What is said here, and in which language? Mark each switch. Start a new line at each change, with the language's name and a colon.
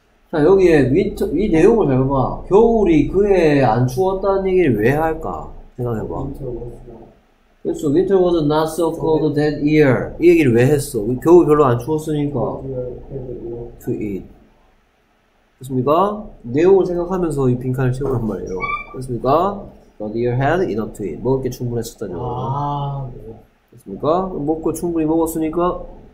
Korean: 자, 여기에 윈터, 이 내용을 잘 봐. 겨울이 그해 안 추웠다는 얘기를 왜 할까? 생각해봐. 그래서
English: winter was not so cold that year.
Korean: 이 얘기를 왜 했어? 겨울 별로 안 추웠으니까.
English: To eat.
Korean: 됐습니까? 내용을 생각하면서 이 빈칸을 채우란 말이에요. 됐습니까?
English: The deer had enough to eat.
Korean: 먹을 게 충분했었다는 거예요. 아, 네. 됐습니까? 먹고 충분히 먹었으니까.